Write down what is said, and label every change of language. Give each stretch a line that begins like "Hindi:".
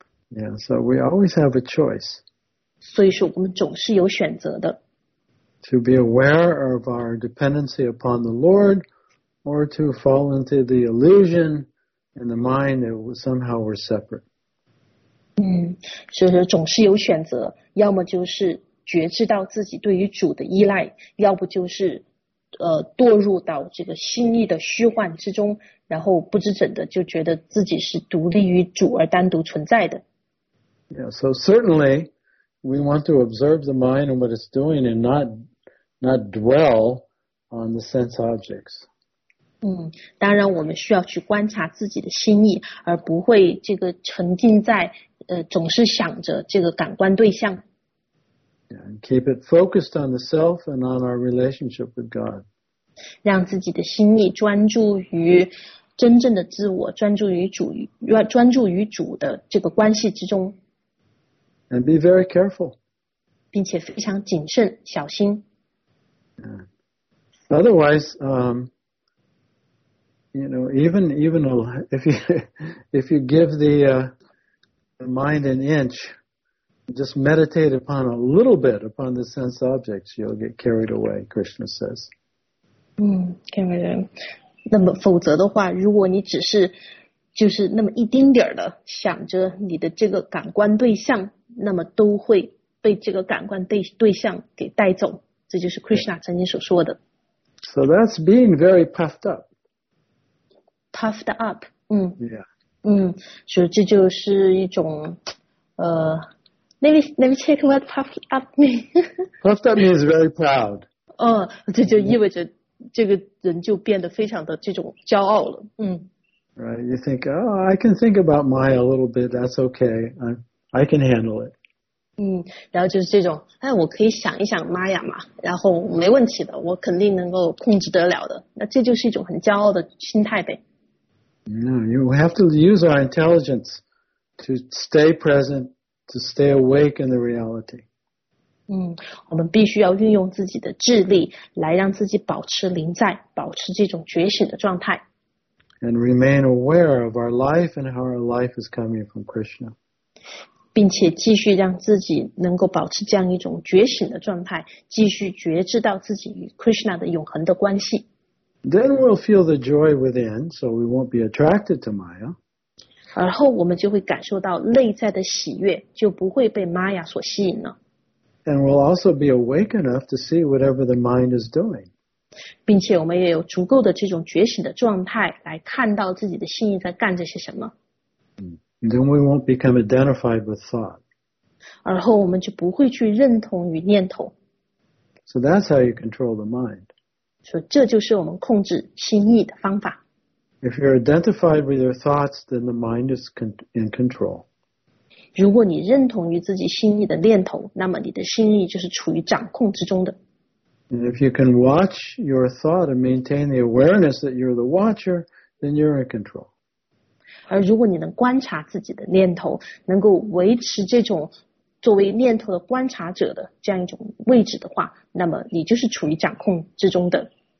English: Yeah, so we always have a choice.
Chinese: 所以说我们总是有选择的。
English: To be aware of our dependency upon the Lord, or to fall into the illusion in the mind that somehow we're separate.
Chinese: 所以说总是有选择，要么就是觉知到自己对于主的依赖，要不就是堕入到这个心意的虚幻之中，然后不知怎的就觉得自己是独立于主而单独存在的。
English: Yeah, so certainly,We want to observe the mind and what it's doing and not dwell on the sense objects.
Chinese: 当然我们需要去观察自己的心意，而不会这个沉浸在总是想着这个感官对象。
English: Yeah, and keep it focused on the self and on our relationship with God.
Chinese: 让自己的心意专注于真正的自我，专注于主的这个关系之中。
English: And be very careful.
Chinese: 并且非常谨慎小心。
English: Yeah. Otherwise, you know, even if you give the mind an inch, just meditate upon a little bit upon the sense objects, you'll get carried away, Krishna says. carried away.
Chinese: 那么否则的话，如果你只是就是那么一丁点儿的想着你的这个感官对象，那么都会被这个感官对象给带走，这就是 Krishna 曾经所说的。
English: So that's being very puffed up. Puffed up. Yeah.
Chinese: 所以这就是一种
English: Let me check what puffed up means. Puffed up means very proud.
Chinese: 这就意味着这个人就变得非常的这种骄傲了。
English: Right. You think, oh, I can think about Maya a little bit. That's okay. I can handle it.
Chinese: 然后就是这种，哎，我可以想一想，妈呀嘛，然后没问题的，我肯定能够控制得了的。那这就是一种很骄傲的心态呗。
English: Yeah, we have to use our intelligence to stay present, to stay awake in the reality.
Chinese: 我们必须要运用自己的智力来让自己保持临在，保持这种觉醒的状态。
English: And remain aware of our life and how our life is coming from Krishna.
Chinese: 并且继续让自己能够保持这样一种觉醒的状态，继续觉知到自己与 Krishna 的永恒的关系。
English: Then we'll feel the joy within, so we won't be attracted to Maya.
Chinese: 而后我们就会感受到内在的喜悦，就不会被 Maya 所吸引了。
English: And we'll also be awake enough to see whatever the mind is doing.
Chinese: 并且我们也有足够的这种觉醒的状态，来看到自己的心意在干着些什么。
English: Then we won't become identified with thought.
Chinese: 而后我们就不会去认同与念头。
English: So that's how you control the mind.
Chinese: 所以这就是我们控制心意的方法。
English: If you're identified with your thoughts, then the mind is in control.
Chinese: 如果你认同于自己心意的念头，那么你的心意就是处于掌控之中的。
English: And if you can watch your thought and maintain the awareness that you're the watcher, then you're in control.
Chinese: 而如果你能观察自己的念头，能够维持这种作为念头的观察者的这样一种位置的话，那么你就是处于掌控之中的。